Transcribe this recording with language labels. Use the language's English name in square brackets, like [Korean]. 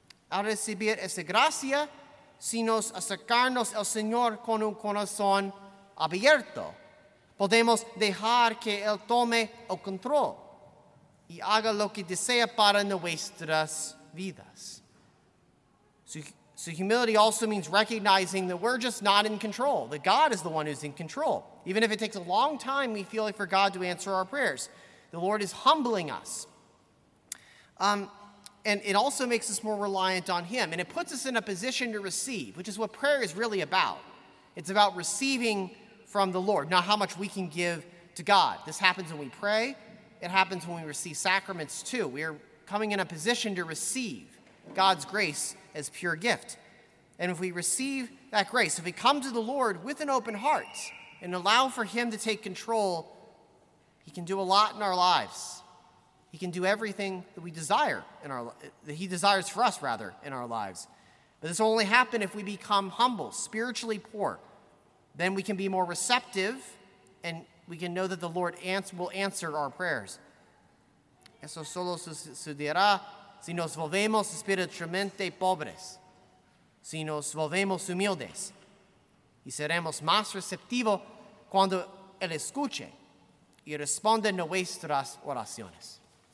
[Spanish] Al recibir esa gracia, si nos acercamos al Señor con un corazón abierto, podemos dejar que Él tome el control y haga lo que desea para nuestras vidas. [English] So humility also means recognizing that we're just not in control, that God is the one who's in control. Even if it takes a long time, we feel like for God to answer our prayers. The Lord is humbling us. And it also makes us more reliant on Him, and it puts us in a position to receive, which is what prayer is really about. It's about receiving from the Lord, not how much we can give to God. This happens when we pray. It happens when we receive sacraments too. We are coming in a position to receive God's grace as pure gift. And if we receive that grace, if we come to the Lord with an open heart and allow for Him to take control, He can do a lot in our lives. He can do everything that we desire in our that He desires for us, rather, in our lives. But this will only happen if we become humble, spiritually poor. Then we can be more receptive, and we can know that the Lord will answer our prayers. [Spanish] Eso solo sucederá si nos volvemos espiritualmente pobres, si nos volvemos humildes, y seremos más receptivos cuando Él escuche y responde nuestras oraciones.